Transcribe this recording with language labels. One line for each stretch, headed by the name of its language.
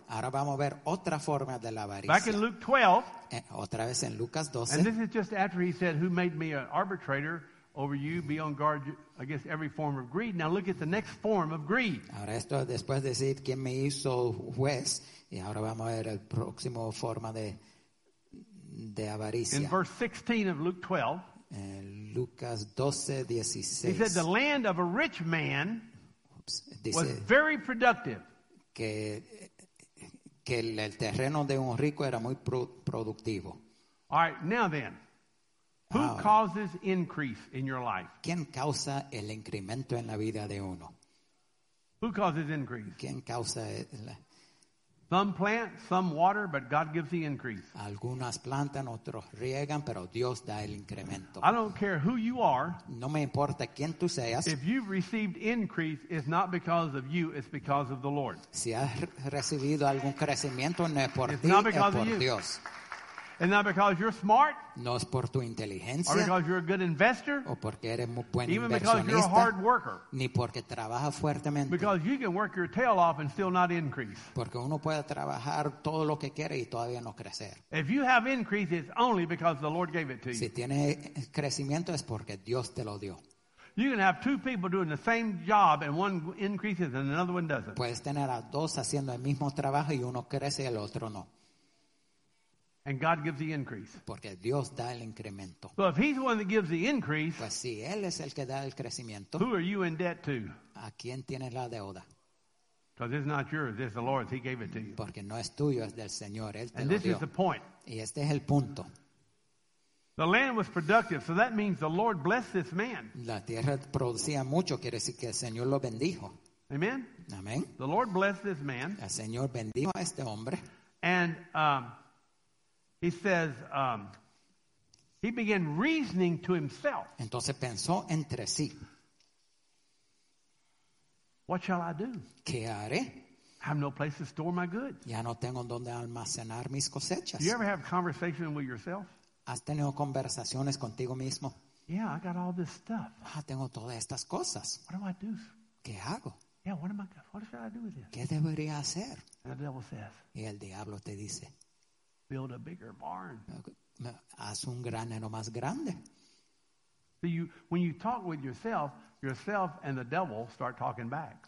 Spanish: Ahora vamos a ver otra forma de la avaricia.
English: Back in Luke 12.
Spanish: Otra vez en Lucas 12.
English: And this is just after he said, who made me an arbitrator over you? Be on guard against every form of greed. Now look at the next form of greed.
Spanish: Ahora esto después de decir quién me hizo juez. Y ahora vamos a ver el próximo forma de avaricia.
English: In verse 16 of Luke 12.
Spanish: Lucas 12, 16.
English: He said the land of a rich man
Spanish: Dice
English: was very productive.
Spanish: Que el terreno de un rico era muy productivo.
English: All right, now then, who
Spanish: Ahora,
English: causes increase in your life?
Spanish: ¿Quién causa el incremento en la vida de uno?
English: Who causes increase?
Spanish: ¿Quién causa la...
English: Some plant, some water, but God gives the increase.
Spanish: Algunas plantan, otros riegan, pero Dios da el incremento.
English: I don't care who you are.
Spanish: No me importa quién tú seas.
English: If you've received increase, it's not because of you, it's because of the Lord.
Spanish: Si has recibido algún crecimiento, no es por ti, es por Dios.
English: It's not because you're smart.
Spanish: No es por tu inteligencia.
English: Or because you're a good investor.
Spanish: O porque eres muy buen inversionista.
English: Even because you're a hard worker.
Spanish: Ni porque trabajas fuertemente.
English: Because you can work your tail off and still not increase.
Spanish: Porque uno puede trabajar todo lo que quiere y todavía no crecer.
English: If you have increase, it's only because the Lord gave it to you.
Spanish: Si tienes crecimiento es porque Dios te lo dio.
English: You can have 2 people doing the same job and one increases and another one doesn't.
Spanish: Puedes tener a 2 haciendo el mismo trabajo y uno crece y el otro no.
English: And God gives the increase.
Spanish: Porque Dios da el incremento.
English: So if he's the one that gives the increase,
Spanish: pues si él es el que da el crecimiento,
English: who are you in debt to?
Spanish: ¿A quién tienes la deuda?
English: Because it's not yours, it's the Lord's. He gave it to you.
Spanish: Porque no es tuyo, es del Señor. Él te
English: and
Spanish: lo
English: this
Spanish: dio.
English: Is the point.
Spanish: Y este es el punto.
English: The land was productive, so that means the Lord blessed this man.
Spanish: La tierra producía mucho, quiere decir que el Señor lo bendijo. Amen. Amen.
English: The Lord blessed this man.
Spanish: El Señor bendijo a este hombre.
English: And He says, he began reasoning to himself.
Spanish: Entonces pensó entre sí.
English: What shall I do?
Spanish: ¿Qué haré?
English: I have no place to store my goods.
Spanish: Ya no tengo donde almacenar mis cosechas.
English: Do you ever have conversation with yourself?
Spanish: ¿Has tenido conversaciones contigo mismo?
English: Yeah, I got all this stuff.
Spanish: Ah, tengo todas estas cosas.
English: What do I do?
Spanish: ¿Qué hago?
English: Yeah, what should I do with this?
Spanish: ¿Qué debería hacer?
English: And the devil says,
Spanish: y el diablo te dice,
English: build a bigger barn.
Spanish: Haz un granero más grande.
English: So you, when you talk with yourself, yourself and the devil start talking back.